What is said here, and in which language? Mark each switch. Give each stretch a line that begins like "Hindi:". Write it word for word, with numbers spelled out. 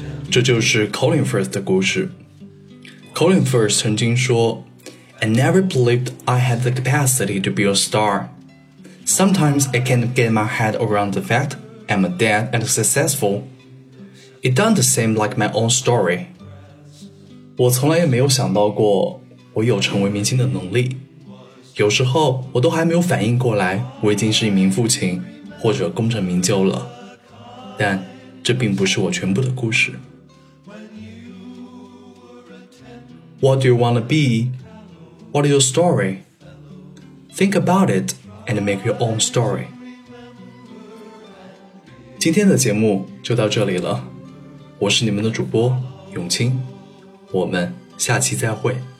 Chinese: 这就是 Colin Firth 的故事。Colin Firth 曾经说
English: I never believed I had the capacity to be a star. Sometimes I can't get my head around the fact I'm dead and successful. It doesn't seem like my own story.
Chinese: 我从来也没有想到过我有成为明星的能力。有时候我都还没有反应过来我已经是一名父亲或者功成名就了。但这并不是我全部的故事。
English: What do you want to be? What is your story? Think about it and make your own story.
Chinese: 今天的节目就到这里了，我是你们的主播永清，我们下期再会。